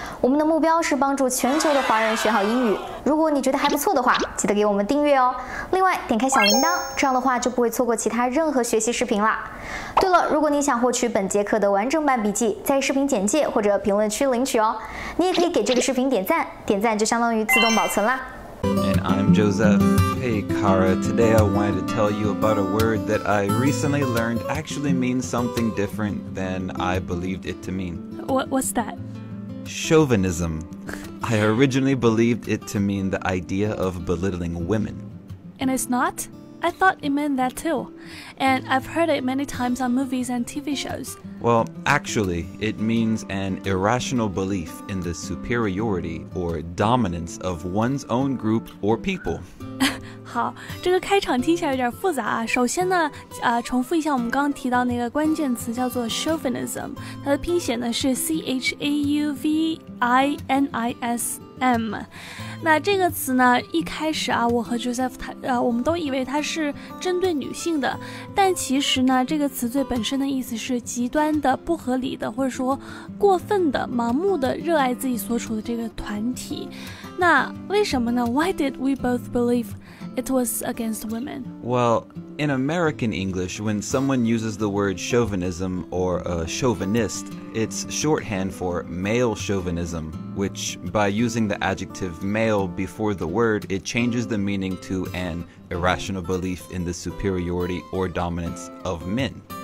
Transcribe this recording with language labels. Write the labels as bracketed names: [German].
[Chinese] 我们的目标是帮助全球的华人学好英语。如果你觉得还不错的话，记得给我们订阅哦。另外，点开小铃铛，这样的话就不会错过其他任何学习视频啦。对了，如果你想获取本节课的完整版笔记，在视频简介或者评论区领取哦。你也可以给这个视频点赞，点赞就相当于自动保存啦。 [English] And I'm Joseph. Hey, Kara. Today I wanted to tell you about a word that I recently learned actually means something different than I believed it to mean. What's that? Chauvinism. I originally believed it to mean the idea of belittling women. And it's not? I thought it meant that too. And I've heard it many times on movies and TV shows. Well, actually, it means an irrational belief in the superiority or dominance of one's own group or people. [Chinese] 好，这个开场听起来有点复杂啊。首先呢，重复一下我们刚刚提到那个关键词叫做 chauvinism， 它的拼写呢是 chauvinism。那这个词呢，一开始啊，我和 Joseph 我们都以为它是针对女性的，但其实呢，这个词最本身的意思是极端的、不合理的，或者说过分的、盲目的热爱自己所处的这个团体。那为什么呢 [English] ？Why did we both believe it was against women? Well, in American English, when someone uses the word chauvinism or a chauvinist, it's shorthand for male chauvinism, which by using the adjective male before the word, it changes the meaning to an irrational belief in the superiority or dominance of men.